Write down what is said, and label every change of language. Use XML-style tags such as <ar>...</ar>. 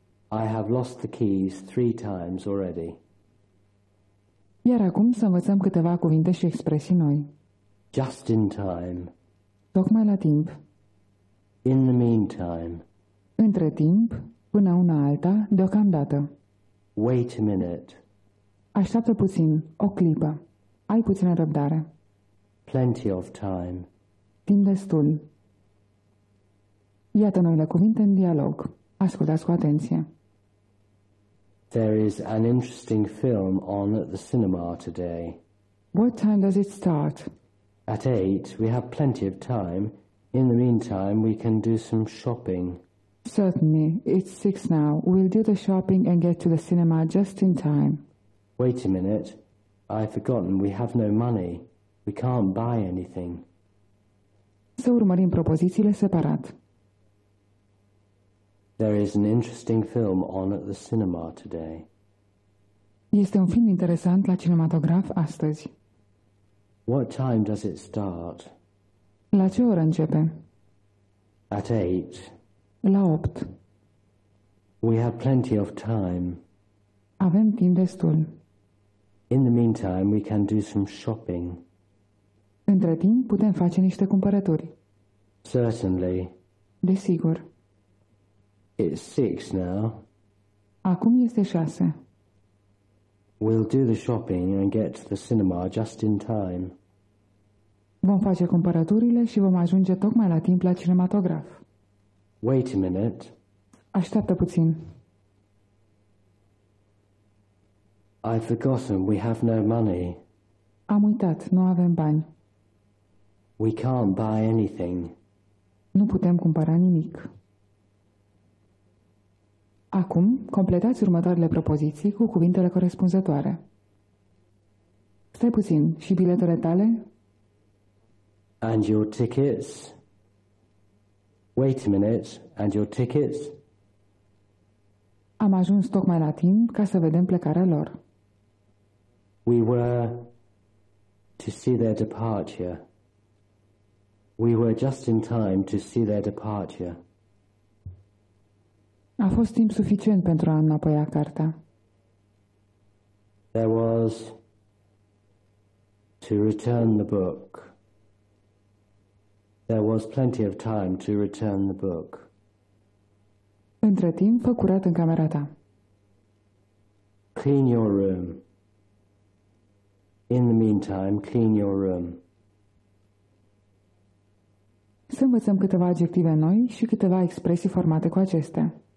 <en>I have lost the keys three times already.</en> <ro>Iar acum să învățăm câteva cuvinte și expresii noi.</ro> <en>Just in time.</en> <ro>Tocmai la timp.</ro> <en>In the meantime.</en> <ro>Între timp, până una alta, deocamdată.</ro> <en>Wait a minute.</en> <ro>Așteaptă puțin, o clipă. Ai puțină răbdare.</ro> <en>Plenty of time.</en> <ro>Timp destul. Iată noile cuvinte în dialog. Ascultați cu atenție.</ro> <en>There is an interesting film on at the cinema today. What time does it start? At 8, we have plenty of time. In the meantime, we can do some shopping. Certainly. It's 6 now. We'll do the shopping and get to the cinema just in time. Wait a minute. I've forgotten we have no money. We can't buy anything.</en> <ro>Să urmărim propozițiile separat.</ro> <en>There is an interesting film on at the cinema today.</en> <ro>Este un film interesant la cinematograf astăzi.</ro> <en>What time does it start?</en> <ro>La ce oră începe?</ro> <en>At 8.</en> <ro>La 8.</ro> <en>We have plenty of time.</en> <ro>Avem timp destul.</ro> <en>In the meantime, we can do some shopping.</en> <ro>Între timp, putem face niște cumpărături.</ro> <en>Certainly.</en> <ro>Desigur.</ro> <en>It's 6 now.</en> <ro>Acum este 6.</ro> <en>We'll do the shopping and get to the cinema just in time.</en> <ro>Vom face cumpărăturile și vom ajunge tocmai la timp la cinematograf.</ro> <en>Wait a minute.</en> <ro>Așteaptă puțin.</ro> <en>I've forgotten we have no money.</en> <ro>Am uitat, nu avem bani.</ro> <en>We can't buy anything.</en> <ro>Nu putem cumpăra nimic. Acum, completați următoarele propoziții cu cuvintele corespunzătoare. Stai puțin, și biletele tale?</ro> <en>And your tickets? Wait a minute, and your tickets?</en> <ro>Am ajuns tocmai la timp ca să vedem plecarea lor.</ro> <en>We were to see their departure. We were just in time to see their departure.</en> <ro>A fost timp suficient pentru a înapoia carta.</ro> <en>There was to return the book. There was plenty of time to return the book.</en> <ro>Între timp, fă curat în camera ta.</ro> <en>Clean your room. In the meantime, clean your room.</en> <ro>Să învățăm câteva adjective noi și câteva expresii formate cu acestea.</ro>